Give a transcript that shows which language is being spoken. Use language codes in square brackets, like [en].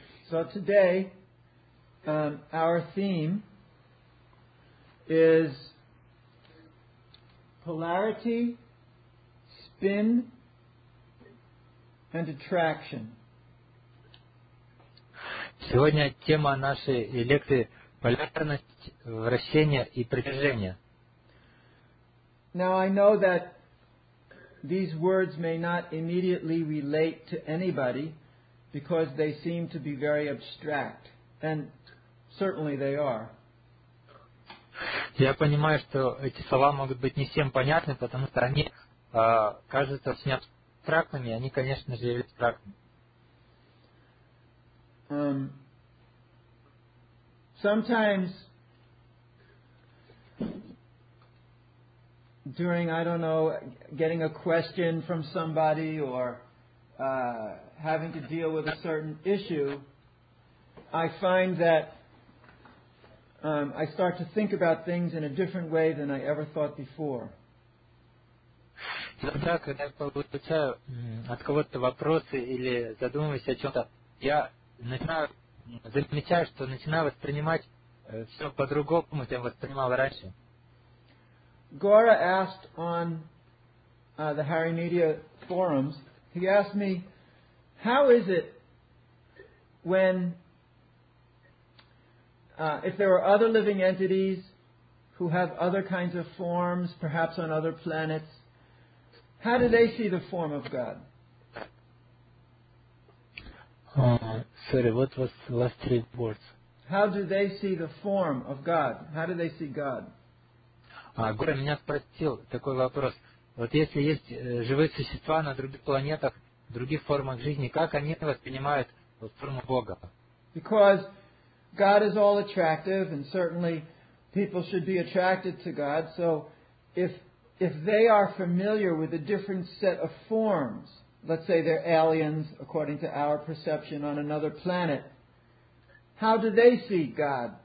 [en] So today, our theme is polarity, spin, and attraction. [ru] Сегодня тема нашей лекции полярность, вращение и притяжение. [en] Now I know that these words may not immediately relate to anybody because they seem to be very abstract, and certainly they are. [ru] Я понимаю, что эти слова могут быть не всем понятны, потому что они кажутся очень абстрактными, они, конечно же, являются абстрактными. [en] Sometimes during, I don't know, getting a question from somebody or having to deal with a certain issue, I find that I start to think about things in a different way than I ever thought before. [ru] Иногда, когда я получаю от кого-то вопросы или задумываюсь о чем-то, я замечаю, что начинаю воспринимать все по-другому, чем воспринимал раньше. [en] Gaura asked on the Hari Media forums, he asked me, how is it when, if there are other living entities who have other kinds of forms, perhaps on other planets, how do they see the form of God? Sorry, what was the last three words? How do they see the form of God? How do they see God? [ru] Гора меня спросил такой вопрос. Вот если есть живые существа на других планетах, в других формах жизни, как они воспринимают вот форму Бога? [en] Because God is all attractive, and certainly people should be attracted to God. So if they are familiar with a different set of forms, let's say they're aliens, according to our perception, on another planet, how do they see God?